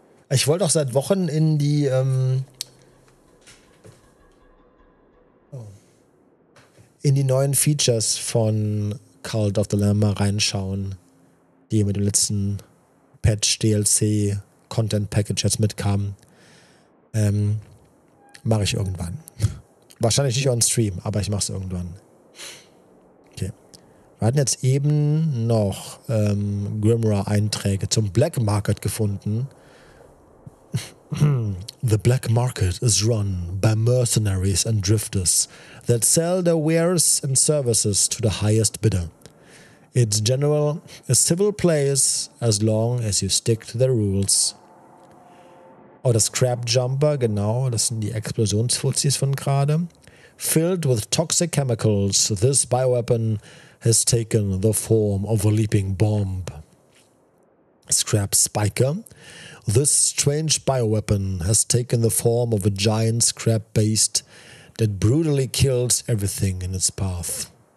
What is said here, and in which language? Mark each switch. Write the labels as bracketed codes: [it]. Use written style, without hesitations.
[de] Ich wollte auch seit Wochen in die in die neuen Features von Cult of the Lamb reinschauen, die mit dem letzten Patch DLC Content Package jetzt mitkamen. Mache ich irgendwann. Wahrscheinlich nicht on stream, aber ich mach's irgendwann. Okay. Wir hatten jetzt eben noch Grimoire-Einträge zum Black Market gefunden. [en] The Black Market is run by mercenaries and drifters that sell their wares and services to the highest bidder. It's general a civil place as long as you stick to the rules. [de] Oh, das Crab Jumper, genau, das sind die Explosionsfuzis von gerade. [en] Filled with toxic chemicals, this bioweapon has taken the form of a leaping bomb. Scrap Spiker. This strange bioweapon has taken the form of a giant scrap beast that brutally kills everything in its path.